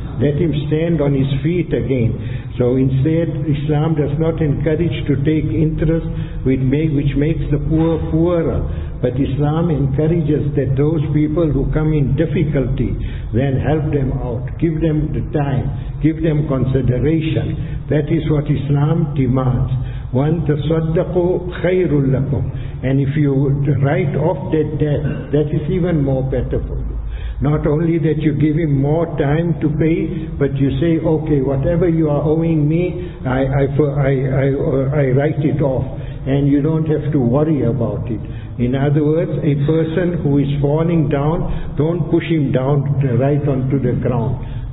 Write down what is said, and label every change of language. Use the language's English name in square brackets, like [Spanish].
[English] Let him stand on his feet again. So instead, Islam does not encourage to take interest which makes the poor poorer. But Islam encourages that those people who come in difficulty, then help them out. Give them the time. Give them consideration. That is what Islam demands. One [Arabic] تَصَدَّقُوا خَيْرٌ لَكُمْ. [English] And if you write off that debt, that is even more better for you. Not only that you give him more time to pay, but you say, okay, whatever you are owing me, I write it off. And you don't have to worry about it. In other words, a person who is falling down, don't push him down right onto the ground.